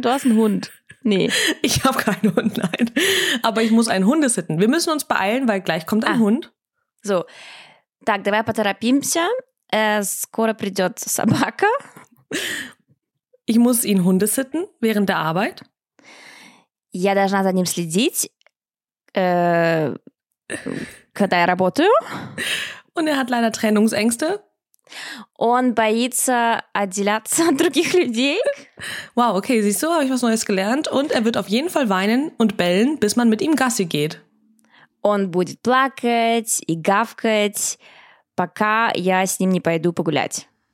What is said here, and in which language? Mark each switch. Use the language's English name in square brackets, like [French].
[German] Du hast einen Hund. Nee. Ich habe keinen Hund, nein. Aber ich muss einen Hundesitten. Wir müssen uns beeilen, weil gleich kommt ein Hund. [Russian] So. Так, давай поторопимся. Скоро придет собака. [German] Ich muss ihn Hundesitten während der Arbeit. [Russian] Я должна за ним следить, когда я работаю. [German] Und er hat leider Trennungsängste. [Russian] Он боится отделяться от других людей. [German] Wow, okay, siehst du, habe ich was Neues gelernt. Und er wird auf jeden Fall weinen und bellen, bis man mit ihm Gassi geht. [Russian] Он будет плакать и гавкать, пока я с ним не пойду погулять.